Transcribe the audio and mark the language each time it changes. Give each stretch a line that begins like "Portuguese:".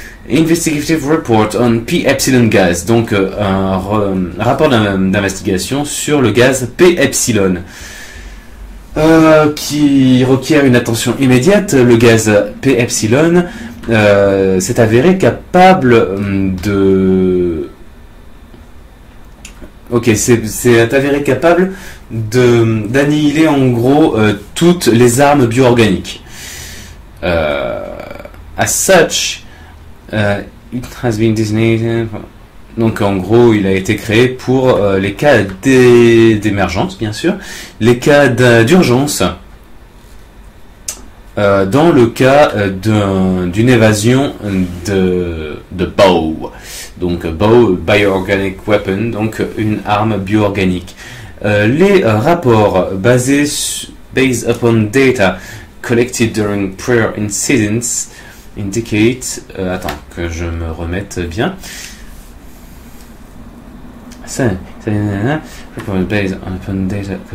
English: Investigative report on P epsilon gas.
French: Donc un rapport d'investigation sur le gaz P epsilon qui requiert une attention immédiate. Le gaz P epsilon s'est avéré capable de. Ok, c'est avéré capable d'annihiler en gros toutes les armes bio-organiques.
English: As such, it has been designated.
French: Donc en gros, il a été créé pour les cas d'émergence, bien sûr, les cas d'urgence, dans le cas d'une évasion de BOW. Donc BOW, Bioorganic Weapon, donc une arme bio-organique. Les rapports
English: based upon data collected during prior incidents indicate.
French: Attends, que je me remette bien.
English: Reports based upon data.